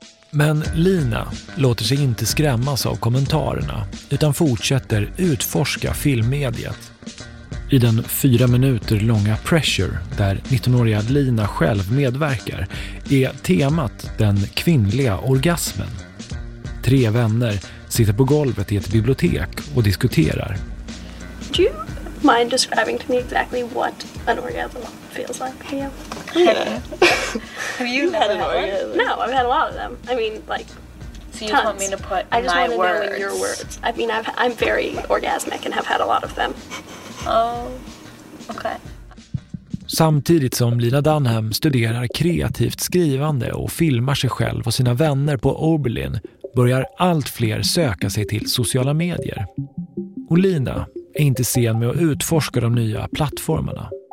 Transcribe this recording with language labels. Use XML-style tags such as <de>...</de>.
<sv>Men Lina låter sig inte skrämmas av kommentarerna utan fortsätter utforska filmmediet. I den 4 minuter långa Pressure, där 19-åriga Lina själv medverkar, är temat den kvinnliga orgasmen. 3 vänner sitter på golvet i ett bibliotek och diskuterar.</sv> <en>Do you mind describing to me exactly what an orgasm feels like? Yeah. Yeah. Have you had an orgasm? No, I've had a lot of them. I mean, like, so you just want me to put I just my want words. To know in your words. I mean, I'm very orgasmic and have had a lot of them. Oh, okay.</en> <sv>Samtidigt som Lina Dunham studerar kreativt skrivande och filmar sig själv och sina vänner på Oberlin börjar allt fler söka sig till sociala medier. Och Lina är inte sen med att utforska de nya plattformarna.</sv>